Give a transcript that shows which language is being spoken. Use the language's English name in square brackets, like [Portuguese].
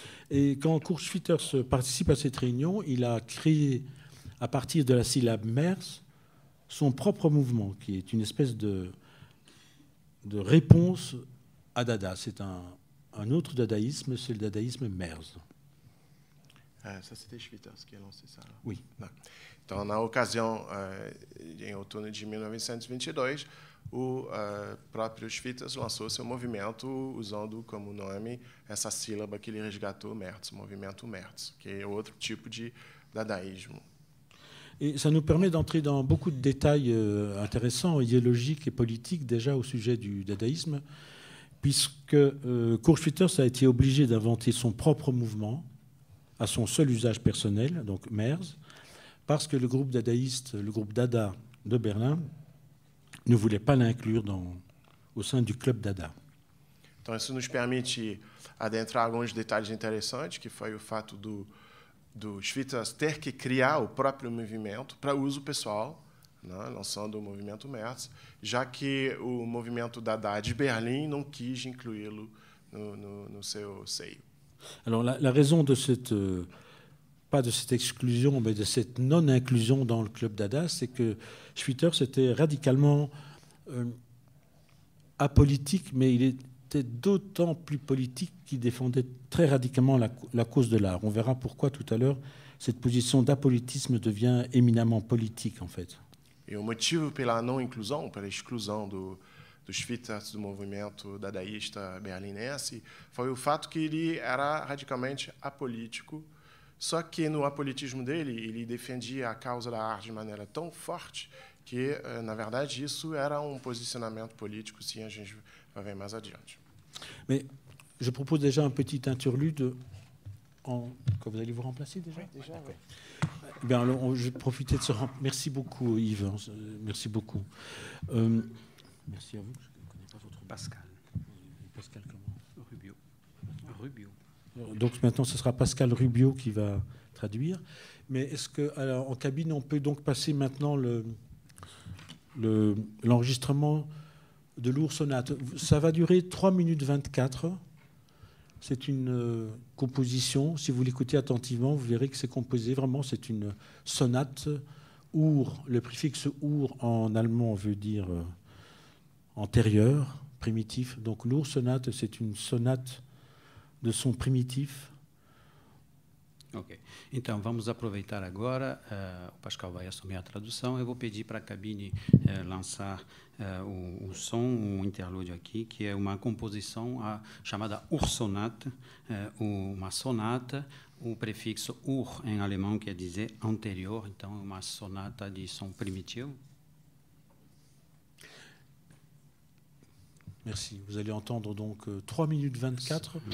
[French] Et quand Kurt Schwitter participe à cette réunion, il a créé, à partir de la syllabe Merz, son propre mouvement, qui est une espèce de réponse à Dada. C'est un autre dadaïsme, c'est le dadaïsme Merz. Ça, c'était Schwitter qui a lancé ça. Là. Oui. Donc, en occasion, en automne de 1922, [Portuguese] proprio Schwitter lançou seu movimento usando como nome essa sílaba que ele resgatou, Merz, movimento Merz, que é outro tipo de dadaísmo. [French] E ça nous permet d'entrer dans beaucoup de détails intéressants, idéologiques et politiques déjà au sujet du dadaïsme, puisque Kurt Schwitter a été obligé d'inventer son propre mouvement à son seul usage personnel, donc Merz, parce que le groupe dadaïste, le groupe Dada de Berlin, ne voulait pas l'inclure au sein du club Dada. [Portuguese] Então isso nos permite adentrar alguns detalhes interessantes, que foi o fato do Schwitter ter que criar o próprio movimento para uso pessoal, né, lançando o movimento Merz, já que o movimento Dada de Berlim não quis incluí-lo no seu seio. [French] Alors la raison de cette pas de cette exclusion, mais de cette non-inclusion dans le club Dada, c'est que Schwitter s'était radicalement apolitique, mais il était d'autant plus politique qu'il défendait très radicalement la cause de l'art. On verra pourquoi tout à l'heure cette position d'apolitisme devient éminemment politique, en fait. Et le motif pour la non-inclusion, pour l'exclusion de Schwitter du mouvement dadaïste berlinense, c'est le fait qu'il était radicalement apolitique. [Portuguese] Só que no apolitismo dele, ele defendia a causa da arte de maneira tão forte que, na verdade, isso era um posicionamento político, sim, a gente vai ver mais adiante. Mas eu propus [French] déjà um petit interlude que vous allez vous remplacer déjà. Oui, déjà. Ouais. Bien, je profite de ce remplacement. Merci beaucoup, Yves. Merci beaucoup. Merci à vous. Je ne connais pas votre Pascal. Pascal comment ? Rubio. Rubio. Donc maintenant, ce sera Pascal Rubio qui va traduire. Mais est-ce qu'en cabine, on peut donc passer maintenant l'enregistrement de l'Ours Sonate. Ça va durer 3 minutes 24. C'est une composition. Si vous l'écoutez attentivement, vous verrez que c'est composé. Vraiment, c'est une sonate. Ur, le préfixe Ur en allemand veut dire antérieur, primitif. Donc l'Ours sonate, c'est une sonate de son primitif. Ok. [Portuguese] Então vamos aproveitar agora. O Pascoal vai assumir a tradução. Eu vou pedir para a cabine lançar o som, o interlúdio aqui, que é uma composição chamada Ursonata, uma sonata, o prefixo Ur em alemão quer dizer anterior, então é uma sonata de som primitivo. [French] Merci. Vous allez entendre donc 3 minutes 24.